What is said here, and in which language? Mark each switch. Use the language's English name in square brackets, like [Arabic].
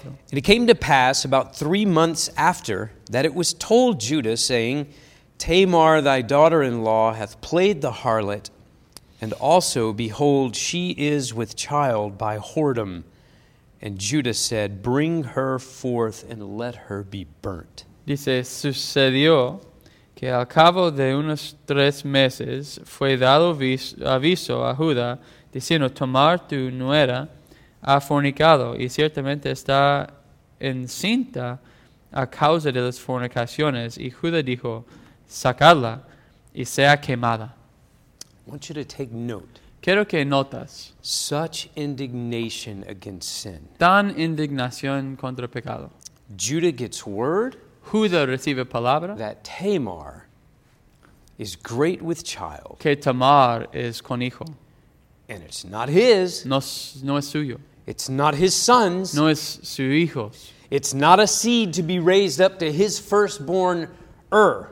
[English] And it came to pass about 3 months after that it was told Judah, saying, Tamar, thy daughter-in-law, hath played the harlot, and also, behold, she is with child by whoredom. And Judah said, bring her forth and let her be burnt. [Spanish] Dice, sucedió que al cabo de unos 3 meses fue dado aviso a Judá diciendo, Tamar, tu nuera, ha fornicado y ciertamente está encinta a causa de las fornicaciones. Y Judá dijo, sacadla y sea quemada. [English] I want you to take note. [Spanish] Quiero que notas. [English] Such indignation against sin. [Spanish] Tan indignación contra pecado. [English] Judah gets word. [Spanish] Judá recibe palabra. [English] That Tamar is great with child. [Spanish] Que Tamar es con hijo. [English] And it's not his. [Spanish] No es suyo. [English] It's not his son's. [Spanish] No es su hijos. [English] It's not a seed to be raised up to his firstborn heir.